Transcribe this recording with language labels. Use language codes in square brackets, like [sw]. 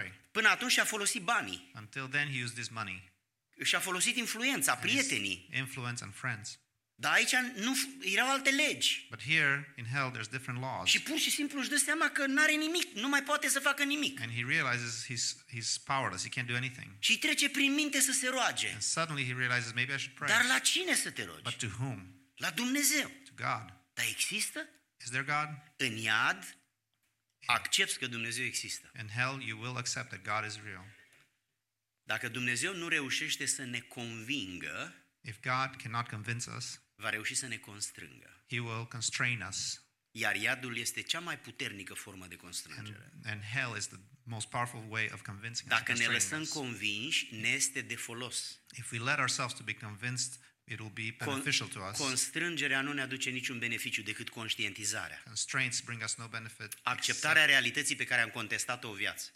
[ro] Până atunci și-a folosit banii. [en] Until then he used this money. [ro] Și-a folosit influența, [en] and [ro] prietenii. [en] Influence and friends. [ro] Dar aici nu erau alte legi. [en] But here in hell there's different laws. [ro] Și pur și simplu își dă seama că n-are nimic, nu mai poate să facă nimic. [en] And he realizes he's powerless, he can't do anything. [ro] Și trece prin minte să se roage. [en] And suddenly he realizes maybe I should pray. [ro] Dar la cine să te rogi? [en] But to whom? [ro] La Dumnezeu. [en] To God. [ro] Dar există? [en] Is there God? [ro] În iad accepți că Dumnezeu există. [en] In hell you will accept that God is real. [ro] Dacă Dumnezeu nu reușește să ne convingă, [en] if God cannot convince us, [ro] va reuși să ne constrângă. [en] He will constrain us. [ro] Iar iadul este cea mai puternică formă de constrângere. [en] And hell is the most powerful way of convincing us. [ro] Dacă ne lăsăm convinși, ne este de folos. [en] If we let ourselves to be convinced, it will be beneficial to us. [ro] Constrângerea nu ne aduce niciun beneficiu decât conștientizarea. [en] Constraints bring us no benefit. [ro] Acceptarea realității pe care am contestat-o o viață.